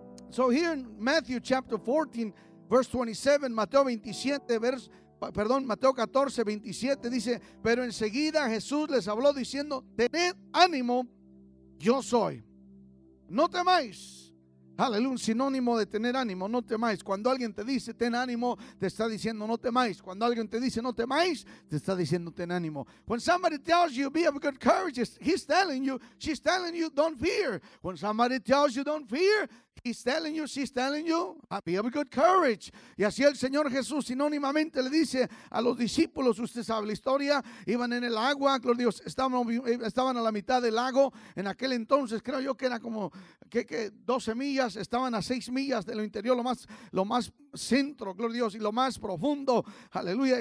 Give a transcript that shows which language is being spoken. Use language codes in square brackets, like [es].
[en] So here in Matthew chapter 14, verse 27, [es] Mateo 14, 27, dice: pero enseguida Jesús les habló diciendo: tened ánimo, yo soy. No temáis, aleluya, un sinónimo de tener ánimo, no temáis. Cuando alguien te dice ten ánimo, te está diciendo no temáis. Cuando alguien te dice no temáis, te está diciendo ten ánimo. [en] When somebody tells you be of good courage, he's telling you, she's telling you don't fear. When somebody tells you don't fear, he's telling you, she's telling you be of good courage. [es] Y así el Señor Jesús sinónimamente le dice a los discípulos, usted sabe la historia, iban en el agua, gloria a Dios, estaban a la mitad del lago. En aquel entonces creo yo que era como que 12 millas, estaban a 6 millas de lo interior, lo más centro, gloria a Dios, y lo más profundo, aleluya.